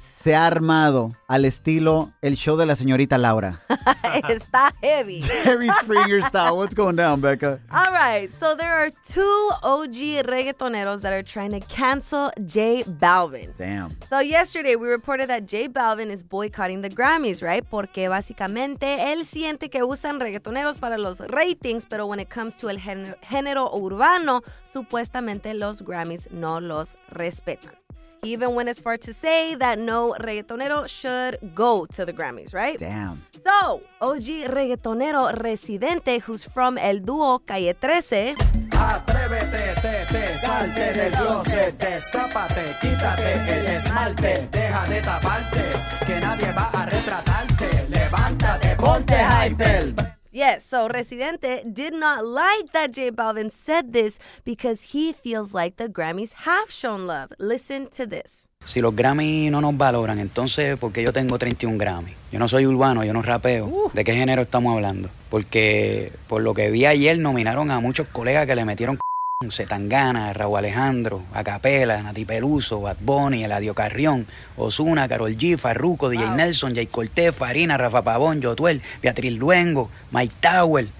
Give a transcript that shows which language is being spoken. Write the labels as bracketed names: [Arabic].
[Spanish] Se ha armado al estilo el show de la señorita Laura. Está heavy. [English] Jerry Springer style. What's going down, Becca? All right. So there are two OG reggaetoneros that are trying to cancel J Balvin. Damn. So yesterday we reported that J Balvin is boycotting the Grammys, right? [Spanish] Porque básicamente él siente que usan reggaetoneros para los ratings, pero [English] when it comes to [Spanish] el género urbano, supuestamente los Grammys no los respetan. [English] He even went as far to say that no reggaetonero should go to the Grammys, right? Damn. So, OG reggaetonero Residente, who's from [Spanish] el dúo [English] Calle 13. [Spanish] Atrévete, tete, salte del closet, destápate, quítate el esmalte, deja de taparte, que nadie va a retratarte, levántate, ponte hypel. [English] Yes, so Residente did not like that J Balvin said this because he feels like the Grammys have shown love. Listen to this. [Spanish] Si los Grammys no nos valoran, entonces, ¿por qué yo tengo 31 Grammys? Yo no soy urbano, yo no rapeo. ¿De qué género estamos hablando? Porque por lo que vi ayer, nominaron a muchos colegas que le metieron Zetangana, Raúl Alejandro, Acapela, Nati Peluso, Bad Bunny, Eladio Carrión, Ozuna, Karol G, Farruko, DJ Nelson, Jay Cortez, Farina, Rafa Pavón, Jotuel, Beatriz Luengo, Mike Tower.